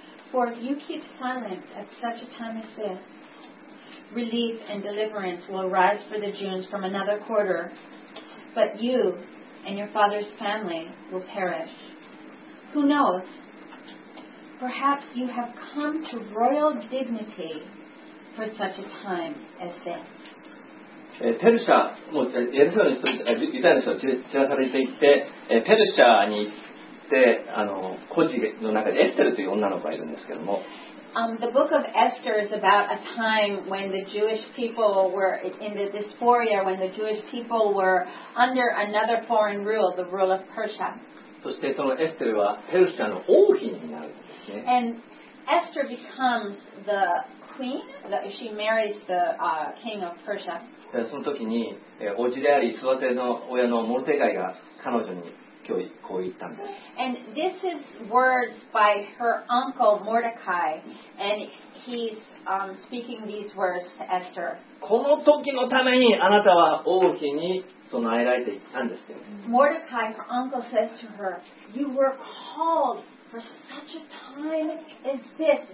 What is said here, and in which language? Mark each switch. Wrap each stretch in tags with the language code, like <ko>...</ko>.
<en>For you keep silent at such a time as this. Relief and deliverance will arise for the Jews from another quarter, but you and your father's family will perish. Who knows? Perhaps you have come to royal dignity for such a time as this.</en> <ja>ペルシャ、もうエルサレムの人、ユダヤの人散らされていって、ペルシャに行って、孤児の中でエステルという女の子がいるんですけども。</ja> <en>The book of Esther is about a time when the Jewish people were in the dysphoria, when the Jewish people were under another foreign rule, the rule of Persia.</en> <ja>そしてそのエステルはペルシャの王妃になるんですね。</ja> <en>And Esther becomes the queen. She marries the king of Persia.</en> <ja>その時に叔父であり育ての親のモルデカイが彼女に今日こう言ったんです。</ja> <en>And this is words by her uncle Mordecai, and he's speaking these words to Esther.</en> <ja>この時のためにあなたは王妃に。備えられていたんですけど。</ja> <en>Mordecai, her uncle, says to her, "You were called for such a time as this.</en>